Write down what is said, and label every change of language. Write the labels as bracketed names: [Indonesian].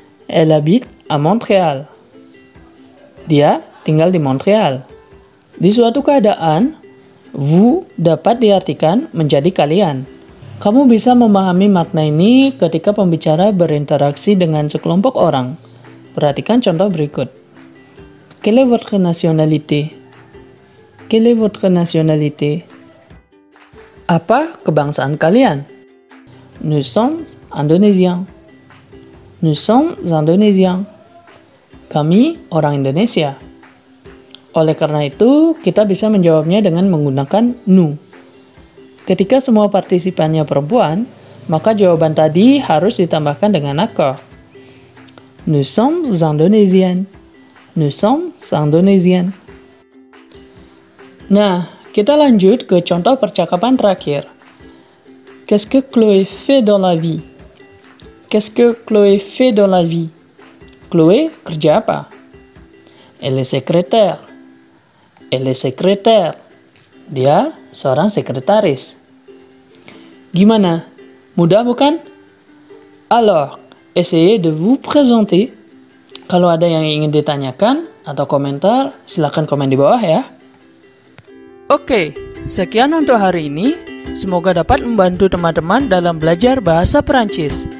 [French] Elle habite à Montréal. [Indonesian] Dia tinggal di Montréal. Di suatu keadaan, vous dapat diartikan menjadi kalian. Kamu bisa memahami makna ini ketika pembicara berinteraksi dengan sekelompok orang. Perhatikan contoh berikut. [French] Quelle est votre nationalité? Quelle est votre nationalité? [Indonesian] Apa kebangsaan kalian? [French] Nous sommes indonésiens. Nous sommes indonésiens. [Indonesian] Kami orang Indonesia. Oleh karena itu, kita bisa menjawabnya dengan menggunakan nous. Ketika semua partisipannya perempuan, maka jawaban tadi harus ditambahkan dengan akor. [French] Nous sommes indonésiennes. Nous sommes indonésiennes. [Indonesian] Nah, kita lanjut ke contoh percakapan terakhir. [French] Qu'est-ce que Chloé fait dans la vie? Qu'est-ce que Chloé fait dans la vie? [Indonesian] Chloé kerja apa? [French] Elle est secrétaire. Elle est secrétaire. [Indonesian] Dia seorang sekretaris. Gimana? Mudah bukan? [French] Alors, essayez de vous présenter. [Indonesian] Kalau ada yang ingin ditanyakan atau komentar, silakan komen di bawah ya. Oke, sekian untuk hari ini. Semoga dapat membantu teman-teman dalam belajar bahasa Perancis.